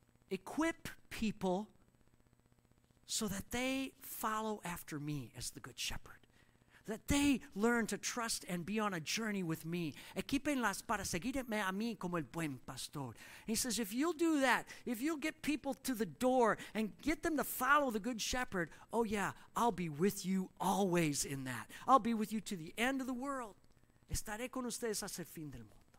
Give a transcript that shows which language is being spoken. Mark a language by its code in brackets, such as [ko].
[en] Equip people so that they follow after me as the good shepherd. That they learn to trust and be on a journey with me. [es] Equipenlas para seguirme a mí como el buen pastor. [en] He says, if you'll do that, if you'll get people to the door and get them to follow the good shepherd, oh yeah, I'll be with you always in that. I'll be with you to the end of the world. [es] Estaré con ustedes hasta el fin del mundo.